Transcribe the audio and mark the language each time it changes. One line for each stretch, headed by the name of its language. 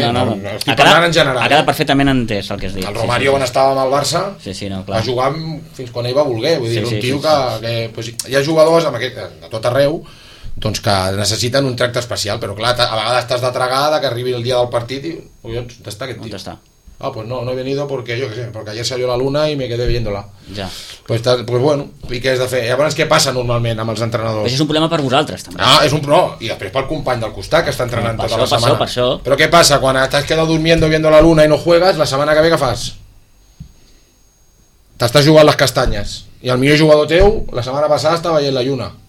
Catalan: No, estic parlant en general. Ha quedat perfectament entès el que has dit. El Romario, quan estava amb el Barça, va jugar fins quan ell va voler. Vull dir, un tio que hi ha jugadors amb aquest, a tot arreu, doncs que necessiten un tracte especial. Però clar, a vegades t'has de tragar que arribi el dia del partit i collons, on està aquest tio? On està?
Spanish: Ah, pues no he venido porque yo qué sé, porque ayer salió la luna y me quedé viéndola.
Catalan: Ja. Pues bueno, i què has de fer? Llavors què passa normalment amb els entrenadors? Això és un problema per vosaltres també. Ah, és un problema. I després pel company del costat que està entrenant tota la setmana. Per això. Però què passa quan estàs quedat
Spanish: durmiendo viendo la luna
Catalan: i
Spanish: no juegas,
Catalan: la setmana que ve què fas? T'estàs jugant les castanyes. I el millor jugador teu la setmana passada estava veient la lluna.